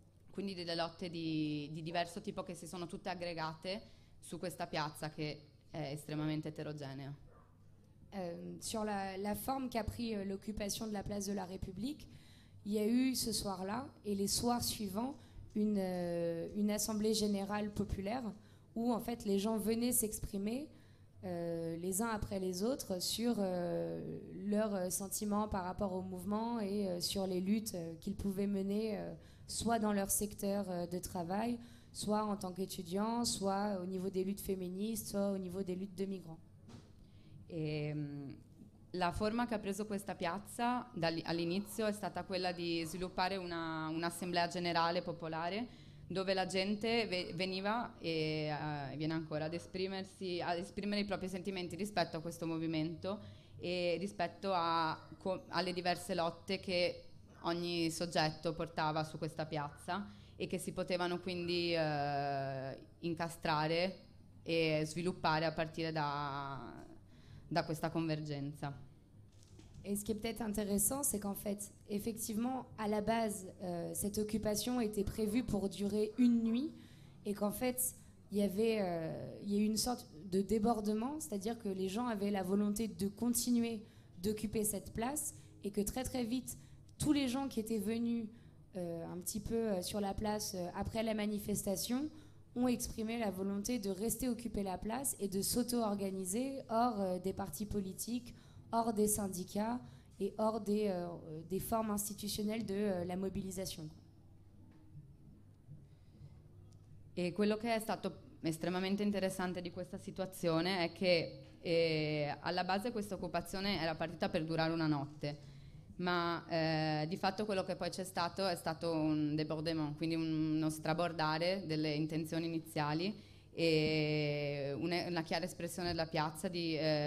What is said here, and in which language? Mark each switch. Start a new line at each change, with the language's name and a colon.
Italian: Quindi delle lotte di diverso tipo che si sono tutte aggregate su questa piazza che è estremamente eterogenea.
French: Sur la forme qu'a pris l'occupation de la place de la République, il y a eu ce soir-là et les soirs suivants une assemblée générale populaire où en fait les gens venaient s'exprimer les uns après les autres sur leurs sentiments par rapport au mouvement et sur les luttes qu'ils pouvaient mener soit dans leur secteur de travail, soit en tant qu'étudiant, soit au niveau des luttes féministes, soit au niveau des luttes de migrants.
Italian: Et la forma che ha preso questa piazza all'inizio è stata quella di sviluppare un'assemblea generale popolare dove la gente veniva e viene ancora ad esprimersi, a esprimere i propri sentimenti rispetto a questo movimento e rispetto alle diverse lotte che ogni soggetto portava su questa piazza e che si potevano quindi incastrare e sviluppare a partire da questa convergenza.
French: Et ce qui est peut-être intéressant, c'est qu'en fait, effectivement, à la base, cette occupation était prévue pour durer une nuit et qu'en fait, il y a eu une sorte de débordement, c'est-à-dire que les gens avaient la volonté de continuer d'occuper cette place et que très très vite, tous les gens qui étaient venus un petit peu sur la place après la manifestation ont exprimé la volonté de rester occuper la place et de s'auto-organiser hors des partis politiques, hors des syndicats et hors des formes institutionnelles de la mobilisation.
Italian: E quello che è stato estremamente interessante di questa situazione è che alla base questa occupazione era partita per durare una notte, ma di fatto quello che poi c'è stato è stato un débordement, quindi uno strabordare delle intenzioni iniziali e una chiara espressione della piazza di